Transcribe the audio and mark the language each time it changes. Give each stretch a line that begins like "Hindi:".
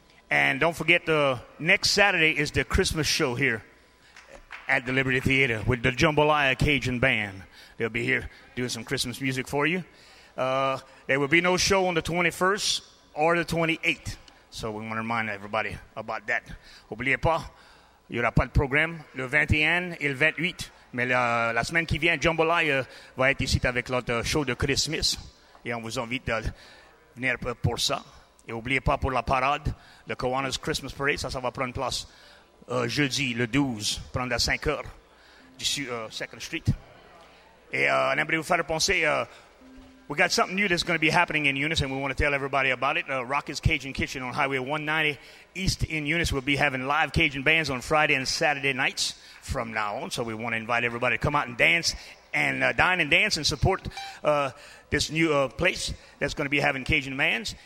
English: And don't forget, the next Saturday is the Christmas show here at the Liberty Theater with the Jambalaya Cajun Band. They'll be here doing some Christmas music for you. There will be no show on the 21st or the 28th. So we want to remind everybody about that.
French: N'oubliez pas, il n'y aura pas de programme le 21 et le 28. Mais la semaine qui vient, Jambalaya va être ici avec notre show de Christmas. Et on vous invite à venir pour ça. Et n'oubliez pas pour la parade, le Kiwanis Christmas Parade, ça va prendre place jeudi, le 12, prendre à 5 heures, d'ici Second Street. Et on aimerait vous faire penser,
English: we got something new that's going to be happening in Eunice, and we want to tell everybody about it. Rocket's Cajun Kitchen on Highway 190 East in Eunice will be having live Cajun bands on Friday and Saturday nights from now on. So we want to invite everybody to come out and dance and dine and dance and support this new place that's going to be having Cajun bands.